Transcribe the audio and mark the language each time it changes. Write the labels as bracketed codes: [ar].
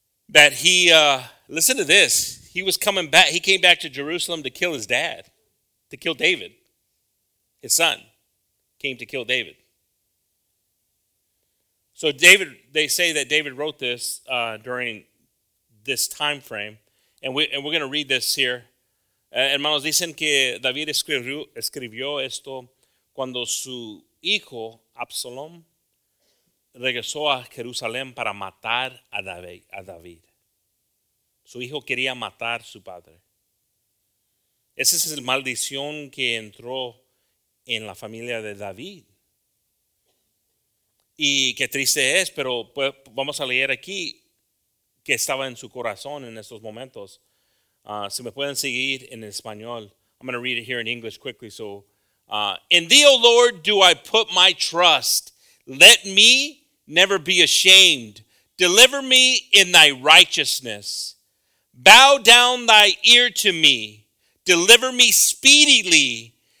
[en] That he, listen to this. He was coming back. He came back to Jerusalem to kill his dad, to kill David. His son came to kill David. So David, they say that David wrote this during this time frame. And we're going to read this here. [es] Hermanos, dicen que David escribió esto cuando su hijo, Absalom, regresó a Jerusalén para matar a David. Su hijo quería matar su padre. Esa es la maldición que entró en la familia de David. Y qué triste es, pero pues, vamos a leer aquí que estaba en su corazón en estos momentos. Si me pueden seguir en español. [en] I'm going to read it here in English quickly. So, in thee, O Lord, do I put my trust. Let me never be ashamed. Deliver me in thy righteousness. Bow down thy ear to me. Deliver me speedily.